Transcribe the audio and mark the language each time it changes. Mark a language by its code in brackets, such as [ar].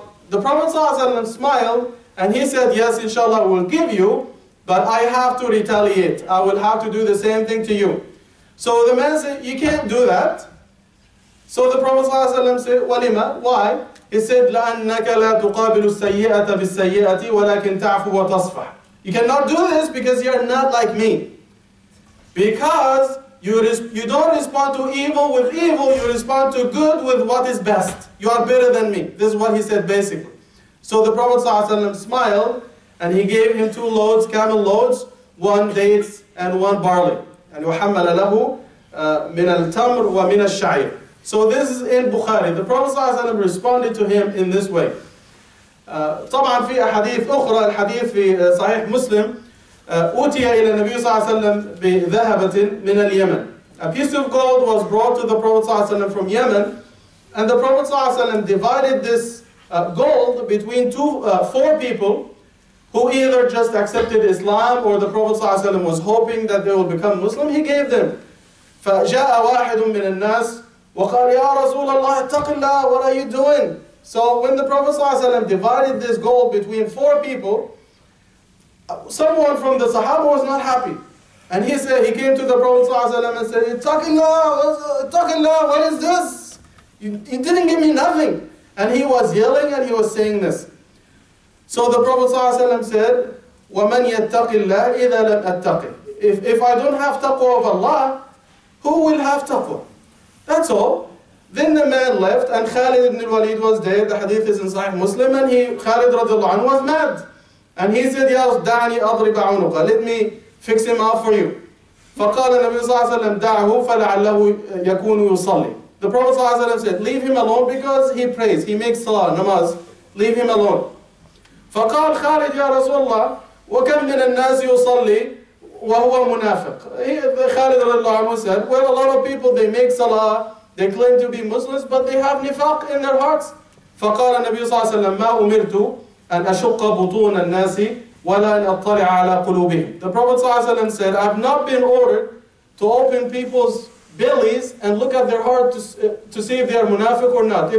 [en] The Prophet smiled, and he said, yes, inshallah, we'll give you, but I have to retaliate. I will have to do the same thing to you. So the man said, you can't do that. So the Prophet ﷺ said, walima, why? [ar] He said, لَأَنَّكَ لَا تُقَابِلُ السَّيِّئَةَ بِالسَّيِّئَةِ وَلَكِنْ تَعْفُ وَتَصْفَحَ. [en] You cannot do this because you are not like me. Because you don't respond to evil with evil, you respond to good with what is best. You are better than me. This is what he said, basically. So the Prophet ﷺ smiled, and he gave him two loads, camel loads, one dates and one barley. [ar] And يُحَمَّلَ لَهُ مِنَ الْتَمْرِ وَمِنَ الشَّعِيرِ. [en] So this is in Bukhari. The Prophet ﷺ responded to him in this way. [ar] طبعاً في أحاديث أخرى, الحديث في صحيح مسلم, أُتي إلى النبي صلى الله عليه وسلم بذهبة من اليمن. [en] A piece of gold was brought to the Prophet ﷺ from Yemen, and the Prophet ﷺ divided this gold between four people who either just accepted Islam or the Prophet صلى الله عليه وسلم was hoping that they will become Muslim. He gave them. [ar] فجاء واحد من الناس وقال يا رسول الله اتق الله, [en] what are you doing? So when the Prophet صلى الله عليه وسلم divided this gold between four people, someone from the Sahaba was not happy. And he said, he came to the Prophet and said, Itaqillah, what is this? You didn't give me nothing. And he was yelling and he was saying this. So the Prophet said, [ar] وَمَنْ يَتَّقِ اللَّهِ إِذَا لَمْ أَتَّقِ [en] If I don't have taqwa of Allah, who will have taqwa? That's all. Then the man left and Khalid ibn al-Walid was dead. The hadith is in Sahih Muslim and Khalid radiallahu anhu was mad. And he said, [ar] يَا دَعْنِي أَضْرِبَ عُنُقَ [en] Let me fix him up for you. [ar] فَقَالَ النَّبِيُّ صَلَّى اللَّهُ عَلَيْهِ وَسَلَّمَ دَعْهُ فَلَعَلَّهُ يَكُونُ يُصَلِّي [en] The Prophet صلى الله عليه وسلم said, leave him alone because he prays, he makes salah, namaz. Leave him alone. [ar] فقال خالد يا رسول الله وكم من الناس يصلي وهو منافق [en] خالد رضي الله عنه said, well, a lot of people, they make salah, they claim to be Muslims, but they have nifaq in their hearts. [ar] فقال النبي صلى الله عليه وسلم ما أمرت أن أشق بطون الناس ولا أن أطلع على قلوبهم [en] The Prophet صلى الله عليه وسلم said, I've not been ordered to open people's bellies and look at their heart to see if they are munafiq or not.